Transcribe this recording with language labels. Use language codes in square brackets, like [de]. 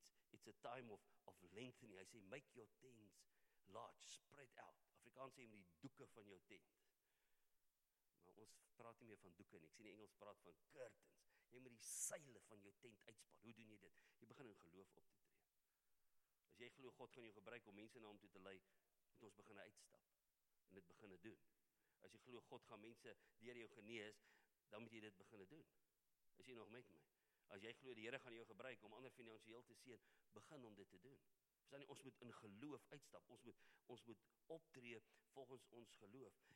[en] It's a time of lengthening. [af] Hy sê, [en] make your tents large, spread out. [af] Afrikaans sê, met die doeke van jou tent. Maar ons praat nie meer van doeke nie. Ek sien die Engels praat van curtains. Jy moet die seile van jou tent uitspan. Hoe doen jy dit? Jy begin in geloof optree. As jy glo God gaan jou gebruik om mense na hom toe te lei, moet ons begin uitstap en dit begin doen. As jy glo God gaan mense deur jou genees, dan moet jy dit begin doen. Is jy nog met my? As jy glo die Here gaan jou gebruik om ander finansiëel te seën, begin om dit te doen. Verstaan jy, ons moet in geloof uitstap. Ons moet optree volgens ons geloof.